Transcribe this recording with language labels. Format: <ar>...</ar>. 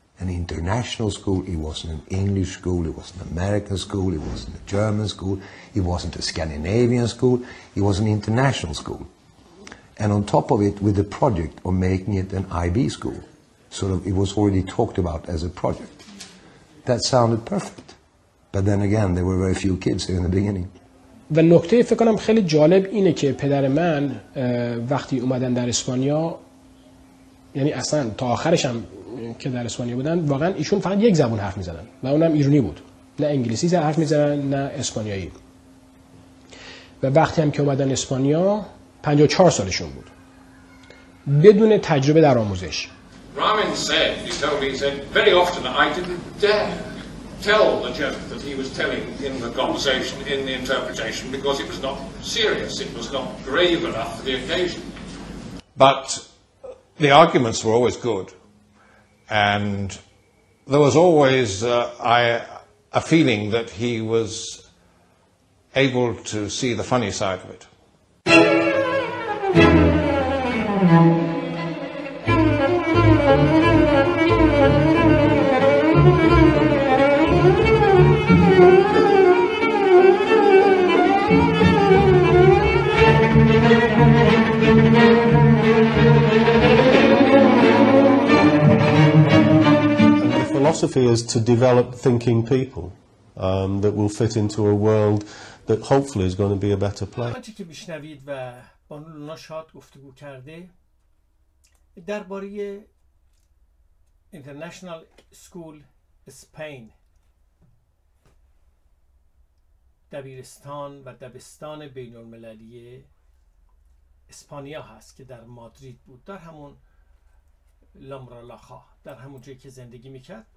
<en>An international school, it wasn't an English school, it wasn't an American school, it wasn't a German school, it wasn't a Scandinavian school, it was an international school. And on top of it, with the project of making it an IB school, sort of, it was already talked about as a project. That sounded perfect. But then again, there were very few kids here in the beginning.</en> <fa>و نکته فکر کنم خیلی جالب اینه که پدر من وقتی اومدن در اسپانیا، یعنی اصلا تا آخرش هم که در اسپانیا بودن، واقعا ایشون فقط یک زبون حرف میزدن و اونم ایرانی بود، نه انگلیسی زبون حرف میزدن نه اسپانیایی. و وقتی هم که اومدن اسپانیا 54 سالشون بود بدون تجربه در آموزش.</fa> <en>Ramin said, he told me, he said, very often I didn't dare tell the joke that he was telling in the conversation, in the interpretation, because it was not serious, it was not grave enough for the occasion. But the arguments were always good, and there was always a feeling that he was able to see the funny side of it. Philosophy is to develop thinking people that will fit into a world that hopefully is going to be a better place.</en> <fa>وقتی که میشنوید و بانو لونا شاد گفتگو کرده درباره اینترنشنال اسکول اسپین، دبیرستان و دبستان بین المللی اسپانیا هست که در مادرید بود، در همون لامرالاخا، در همون جایی که زندگی میکرد.</fa>